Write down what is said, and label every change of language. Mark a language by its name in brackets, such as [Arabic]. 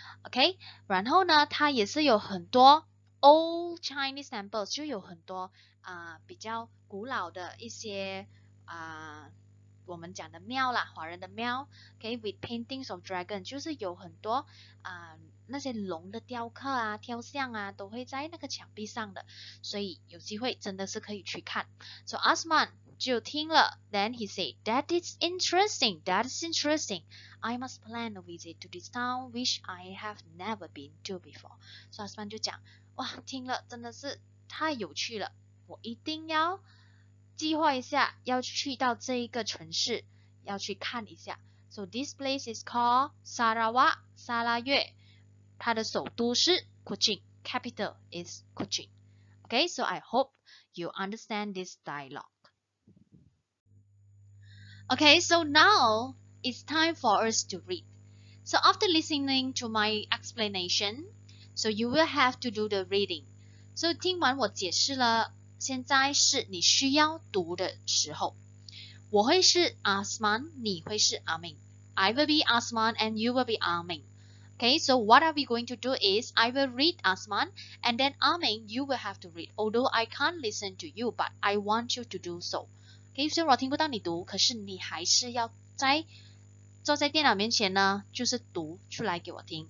[Chinese] Okay, 然后呢，它也是有很多。 [English] Old Chinese temples [Chinese] 就有很多比较古老的一些我们讲的庙啦，华人的庙 ， [English] okay with paintings of dragon [Chinese] 就是有很多那些龙的雕刻啊、雕像啊，都会在那个墙壁上的，所以有机会真的是可以去看。 [English] So Azman [Chinese] 就听了 [English] ，then he said that is interesting, that is interesting. I must plan a visit to this town which I have never been to before. [Chinese] So Azman 就讲。哇，听了真的是太有趣了，我一定要计划一下，要去到这一个城市，要去看一下。 [English] So this place is called Sarawak, 沙拉越， [Chinese] 它的首都是 [English] Kuching, capital is Kuching. Okay, so I hope you understand this dialogue. Okay, so now it's time for us to read. So after listening to my explanation,So you will have to do the reading. [Chinese] So 听完我解释了，现在是你需要读的时候。我会是 Azman， 你会是 Amin. [English] I will be Azman and you will be Amin. Okay, so what are we going to do is I will read Azman and then Amin, you will have to read. Although I can't listen to you, but I want you to do so. [Chinese] Okay, 虽然我听不到你读，可是你还是要在坐在电脑面前呢，就是读出来给我听。